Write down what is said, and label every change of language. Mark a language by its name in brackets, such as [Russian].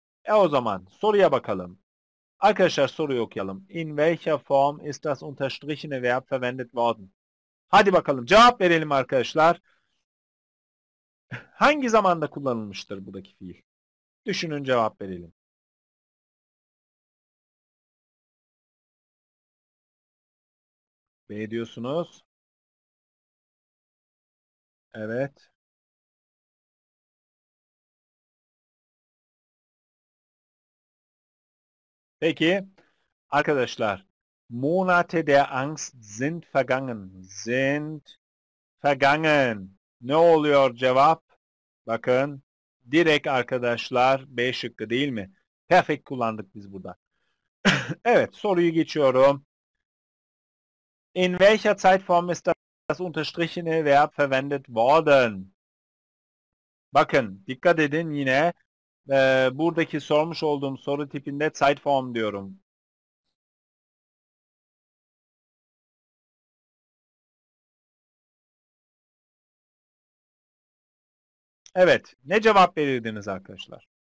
[Turkish] O zaman soruya bakalım. Arkadaşlar soruyu okuyalım. [German] In welcher Form ist das unterstrichene Verb verwendet worden? [Turkish] Hadi bakalım cevap verelim arkadaşlar. Hangi zamanda kullanılmıştır buradaki fiil? Düşünün cevap verelim. B diyorsunuz. Evet. Peki arkadaşlar, [German] Monate der Angst sind vergangen. Sind vergangen. [Turkish] Ne oluyor cevap? Bakın, direkt arkadaşlar B şıkkı değil mi? Perfect kullandık biz burada. Evet, soruyu geçiyorum. [German] In welcher Zeitform ist das unterstrichene Verb verwendet worden? [Turkish] Bakın, dikkat edin yine. Buradaki sormuş olduğum soru tipinde Zeitform diyorum. Evet, ne cevap verirdiniz arkadaşlar?